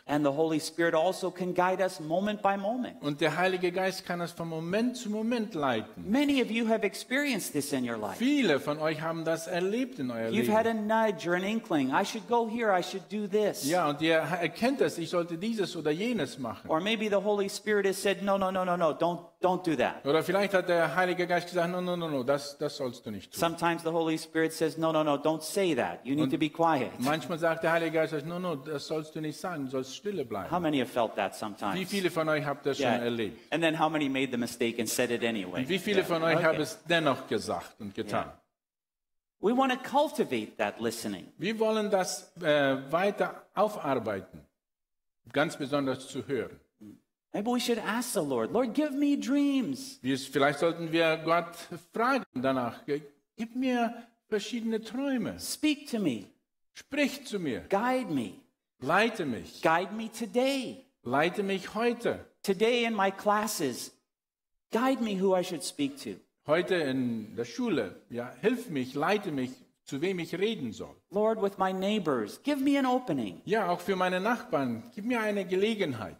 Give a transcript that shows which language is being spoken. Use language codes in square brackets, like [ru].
[en] And the Holy Spirit also can guide us moment by moment. [de] Und der Heilige Geist kann es von Moment zu Moment leiten. [en] Many of you have experienced this in your life. [de] Viele von euch haben das erlebt in eurem Leben. [en] You've had a nudge or an inkling. I should go here, I should do this. [de] Ja, und ihr erkennt das, ich sollte dieses oder jenes machen. [en] Or maybe the Holy Spirit has said, no, don't do that. [de] Oder vielleicht hat der Heilige Geist gesagt, no, das sollst du nicht tun. [en] Sometimes the Holy Spirit says, no, don't say that. You need to be quiet. [de] Manchmal sagt der Heilige Geist, no, das sollst du nicht sagen, du sollst stille bleiben. [en] How many have felt that sometimes? [de] Wie viele von euch habt das schon erlebt? [en] And then how many made the mistake and said it anyway? [de] Wie viele von euch haben es dennoch gesagt und getan? [en] We want to cultivate that listening. [de] Wir wollen das weiter aufarbeiten, ganz besonders zu hören. [en] Maybe we should ask the Lord, Lord, give me dreams. [de] Vielleicht sollten wir Gott fragen danach, gib mir verschiedene Träume. [en] Speak to me. [de] Sprich zu mir. [en] Guide me. [de] Leite mich. [en] Guide me today. [de] Leite mich heute. [en] Today in my classes, guide me who I should speak to. [de] Heute in der Schule, ja, hilf mich, leite mich, zu wem ich reden soll. [en] Lord, with my neighbors, give me an opening. [de] Ja, auch für meine Nachbarn, gib mir eine Gelegenheit.